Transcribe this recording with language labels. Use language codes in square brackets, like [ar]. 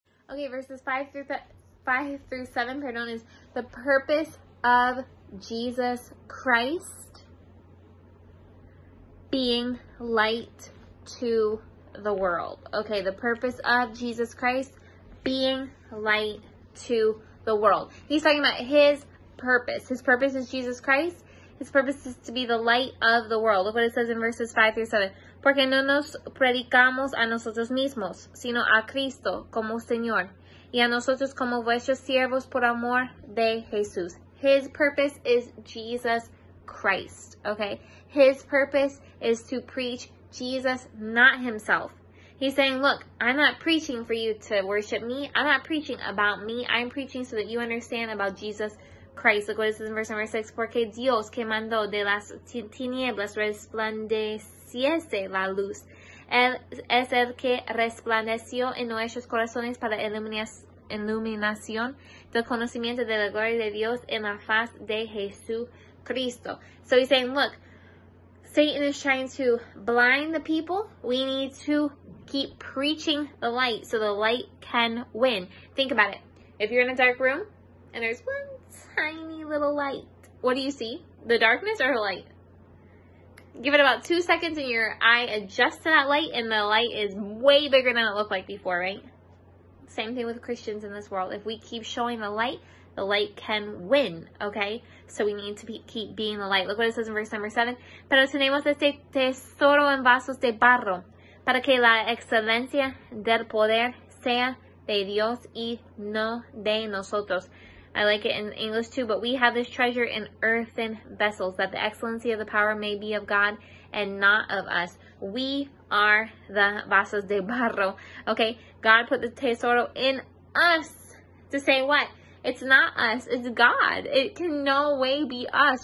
[en] Okay, verses 5 through 7, pardon, is the purpose of Jesus Christ being light to the world. Okay, the purpose of Jesus Christ being light to the world. He's talking about his purpose. His purpose is Jesus Christ. His purpose is to be the light of the world. Look what it says in verses 5 through 7. [es] Porque no nos predicamos a nosotros mismos, sino a Cristo como Señor, y a nosotros como vuestros siervos por amor de Jesús. [en] His purpose is Jesus Christ, okay? His purpose is to preach Jesus, not himself. He's saying, look, I'm not preaching for you to worship me. I'm not preaching about me. I'm preaching so that you understand about Jesus Christ. Look what it says in verse number 6. [es] Porque Dios que mandó de las tinieblas resplandeciese la luz. Él es el que resplandeció en nuestros corazones para iluminación del conocimiento de la gloria de Dios en la faz de Jesucristo. [en] So he's saying, look, Satan is trying to blind the people. We need to keep preaching the light so the light can win. Think about it. If you're in a dark room and there's one tiny little light, what do you see? The darkness or the light? Give it about 2 seconds and your eye adjusts to that light and the light is way bigger than it looked like before, right? Same thing with Christians in this world. If we keep showing the light can win, okay? So we need to keep being the light. Look what it says in verse number 7. [es] Pero tenemos este tesoro en vasos de barro para que la excelencia del poder sea de Dios y no de nosotros. [en] I like it in English too, but we have this treasure in earthen vessels that the excellency of the power may be of God and not of us. We are the [es] vasos de barro, [en] okay? God put the tesoro in us to say what? It's not us, it's God. It can no way be us.